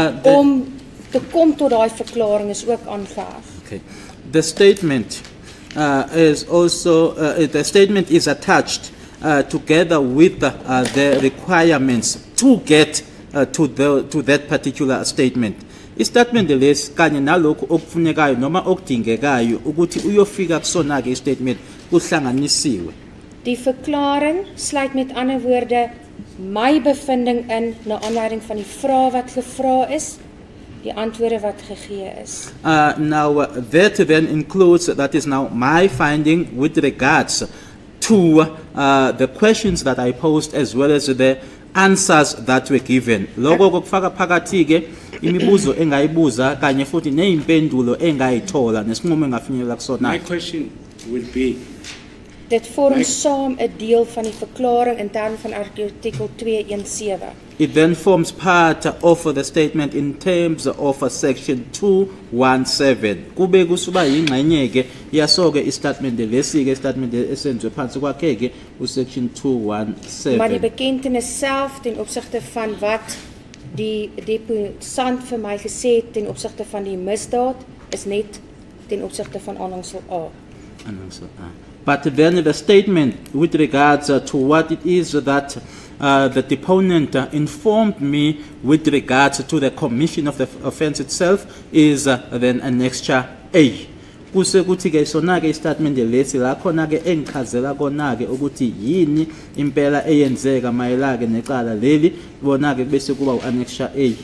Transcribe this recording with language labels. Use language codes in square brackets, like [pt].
[af] Om te kom tot daai verklaring is ook aangeheg. [en] Okay. The statement is also the statement is attached together with the requirements to get to that particular statement. [zu] Isitatimende lesi kanye nalokhu okufunekayo noma okudingekayo ukuthi uyofika kusona ke statement kuhlanganisiwe. [af] Die verklaring sluit met ander woorde my bevinding in na aanleiding van die vrae wat gevra is, die antwoorde wat gegee is. [en] Now that then includes that is now my finding with regards to the questions that I posed as well as the answers that were given. [zu] Loko kufaka phakathi ke imibuzo engayibuza kanye futhi neimpendulo engayithola nesinqumo engafinyelela kusona. [en] My question will be that forms [af] saam 'n deel van die verklaring in terme van artikel 217. [en] It then forms part of the statement in terms of section 217. [zu] Kube kusuba ingxenye ke yasoke istatement lesi ke statement esenzwe phansi kwakhe ke u section 217. [af] Maar die bekentenis self ten opsigte van wat die deponent vir my gesê het ten opsigte van die misdaad is net ten opsigte van aanhangsel A. Aanhangsel A. [en] But then the statement with regards to what it is that the deponent informed me with regards to the commission of the offense itself is then an extra A. [zu] Kuse kuthi ke sona ke statement lesi la khona ke engichazela kona ke ukuthi yini impela eyenzeka mayela ke necala leli bona ke bese kuba u annexure A.